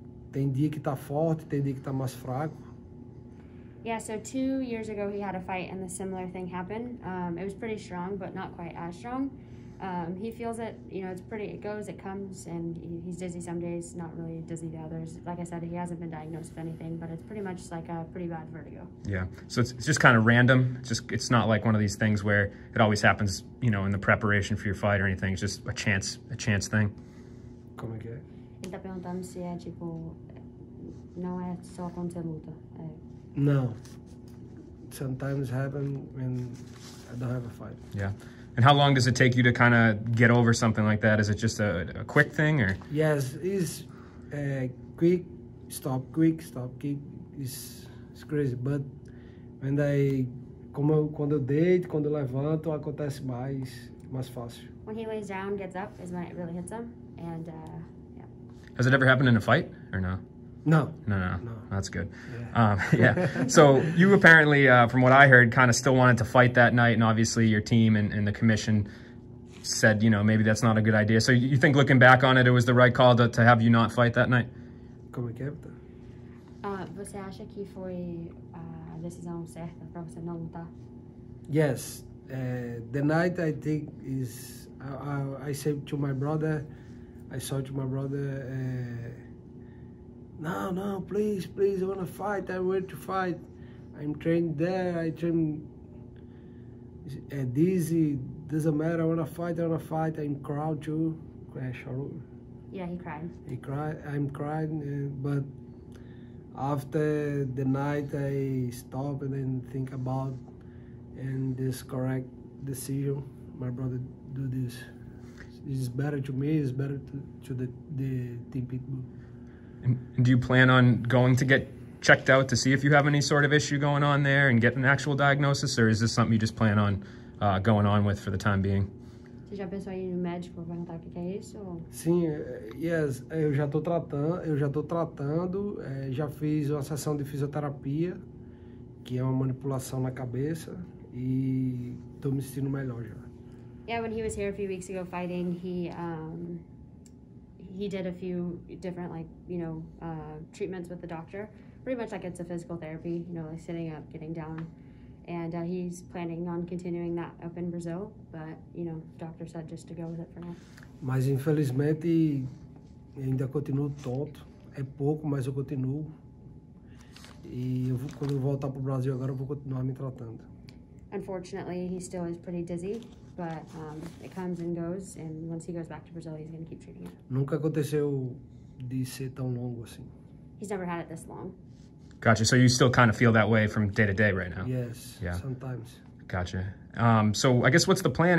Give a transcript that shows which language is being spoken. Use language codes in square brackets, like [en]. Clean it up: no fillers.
[pt] Tem dia que tá forte, tem dia que tá mais fraco. [en] Yeah, so 2 years ago he had a fight and a similar thing happened. It was pretty strong, but not quite as strong. He feels it, you know, it comes, and he's dizzy some days, not really dizzy the others. Like I said, he hasn't been diagnosed with anything, but it's pretty much like a pretty bad vertigo. Yeah, so it's just kind of random. It's not like one of these things where it always happens, you know, in the preparation for your fight or anything. It's just a chance thing. [pt] Como é que é? Ele tá perguntando se é tipo. Não é só quando você luta. [en] No. Sometimes happen when I don't have a fight. Yeah. And how long does it take you to kind of get over something like that? Is it just a quick thing or? Yes, it's quick stop, kick. It's crazy. But when I. [pt] Quando eu deito, quando eu levanto, acontece mais fácil. [en] When he lays down, gets up, is when it really hits him. And. Has it ever happened in a fight or no? No. That's good. Yeah. So you apparently, from what I heard, kind of still wanted to fight that night. And obviously your team and the commission said, you know, maybe that's not a good idea. So you think looking back on it, it was the right call to have you not fight that night? [pt] Como é que é? Você acha que foi a decisão certa para você não lutar? [en] Yes. The night I think is, I said to my brother, I saw to my brother, no, please, I want to fight, I want to fight. I'm trained there, I train dizzy, doesn't matter, I want to fight, I'm crying too. Yeah, he cried. I'm crying, but after the night I stop and then think about and this correct decision, my brother do this. It's better to me, it's better to the team Pitbull. And do you plan on going to get checked out to see if you have any sort of issue going on there and get an actual diagnosis, or is this something you just plan on going on with for the time being? [pt] Você já pensou em ir no médico perguntar o que é isso? Sim, yes, eu já tô tratando, já fiz uma sessão de fisioterapia, que é uma manipulação na cabeça, e tô me sentindo melhor já. [en] Yeah, when he was here a few weeks ago fighting, he did a few different, like, you know, treatments with the doctor. Pretty much like it's a physical therapy, you know, like sitting up, getting down. And he's planning on continuing that up in Brazil, but, you know, the doctor said just to go with it for now. [pt] Mas infelizmente, ainda continuo tonto. É pouco, mas eu continuo. E eu vou, quando eu voltar pro Brasil agora, eu vou continuar me tratando. [en] Unfortunately, he still is pretty dizzy. But it comes and goes, and once he goes back to Brazil, he's going to keep treating it. Nunca aconteceu this tan longo así. He's never had it this long. Gotcha. So you still kind of feel that way from day to day right now? Yes. Yeah. Sometimes. Gotcha. So I guess what's the plan?